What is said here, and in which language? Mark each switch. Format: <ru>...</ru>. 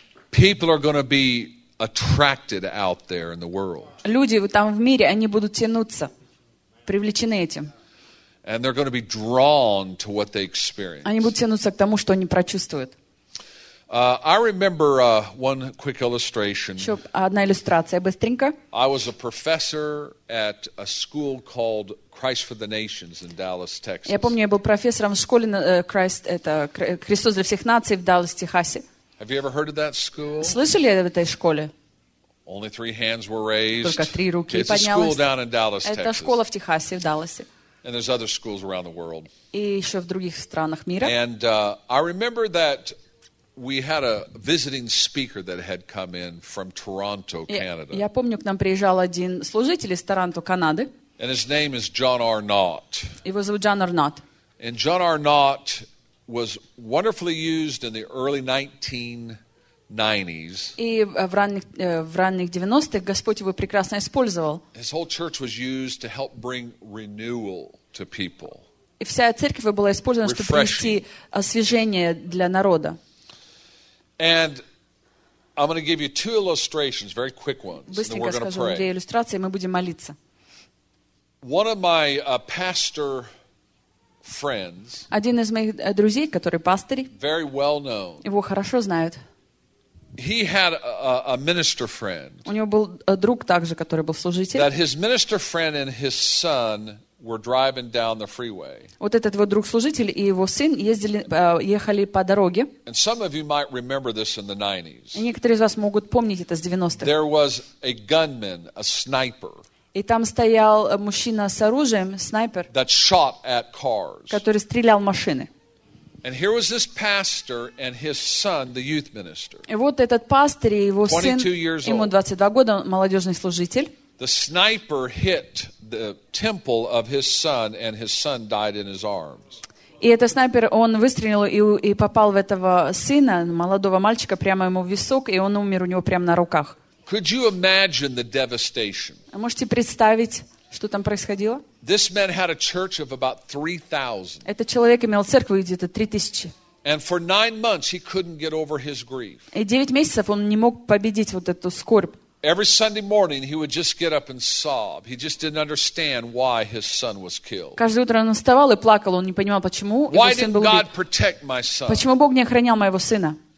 <en>People are going to be attracted out there in the world.</en> <ru>Люди там в мире, они будут тянуться, привлечены этим.</ru> <en>And they're going to be drawn to what they experience.</en> <ru>Они будут тянуться к тому, что они прочувствуют.</ru> <en>I remember one quick illustration.</en> <ru>Еще одна иллюстрация быстренько.</ru> <en>I was a professor at a school called Christ for the Nations in Dallas, Texas.</en> <ru>Я помню, я был профессором в школе Christ, это Христос для всех наций в Даллас, Техасе.</ru> <en>Have you ever heard of that school?</en> <ru>Слышали об этой школе?</ru> <en>Only 3 hands were raised.</en> <ru>Только 3 руки поднялись.</ru> <en>It's a school down in Dallas, Texas.</en> <ru>Это школа в Техасе, в Далласе.</ru> <en>And there's other schools around the world.</en> <ru>И еще в других странах мира.</ru> <en>And I remember that we had a visiting speaker that had come in from Toronto, Canada.</en> <ru>Я помню, к нам приезжал один служитель из Торонто, Канады.</ru> <en>And his name is John Arnott.</en> <ru>Его зовут Джон Арнотт.</ru> <en>And John Arnott was wonderfully used in the early 1990s.</en> <ru>И в ранних 90-х Господь его прекрасно использовал.</ru> <en>His whole church was used to help bring renewal. To people.</en> <ru>И вся церковь была использована, чтобы принести освежение для народа.</ru> <en>And I'm going to give you two illustrations, very quick ones, and then we're going to pray. One of my pastor friends,</en> <ru>один из моих друзей, который пастырь,</ru> <en>very well known,</en> <ru>его хорошо знают.</ru> <en>He had a minister friend.</en> <ru>У него был друг также, который был служитель.</ru> <en>That his minister friend and his son were driving down the freeway.</en> <ru>Вот этот вот друг служитель и его сын ездили, ехали по дороге.</ru> <en>And some of you might remember this in the 90s.</en> <ru>И некоторые из вас могут помнить это с 90-х.</ru> <en>There was a gunman, a sniper.</en> <ru>И там стоял мужчина с оружием, снайпер,</ru> <en>that shot at cars.</en> <ru>Который стрелял в машины.</ru> <en>And here was this pastor and his son, the youth minister.</en> <ru>И вот этот пастор и его сын, ему 22 года, молодежный служитель.</ru> <en>The sniper hit the temple of his son, and his son died in his arms.</en> <ru>И этот снайпер, он выстрелил и попал в этого сына, молодого мальчика, прямо ему в висок, и он умер у него прямо на руках.</ru> <en>Could you imagine the devastation?</en> <ru>А можете представить, что там происходило?</ru> <en>This man had a church of about 3,000.</en> <ru>Этот человек имел церковь где-то 3,000.</ru> <en>And for 9 months he couldn't get over his grief.</en> <ru>И 9 месяцев он не мог победить вот эту скорбь.</ru> <en>Every Sunday morning he would just get up and sob. He just didn't understand why his son was killed.</en> <ru>Каждое утро он вставал и плакал, он не понимал почему его сын был убит.</ru> <en>Why didn't God protect my son?</en> <ru>Почему Бог не охранял моего сына?</ru>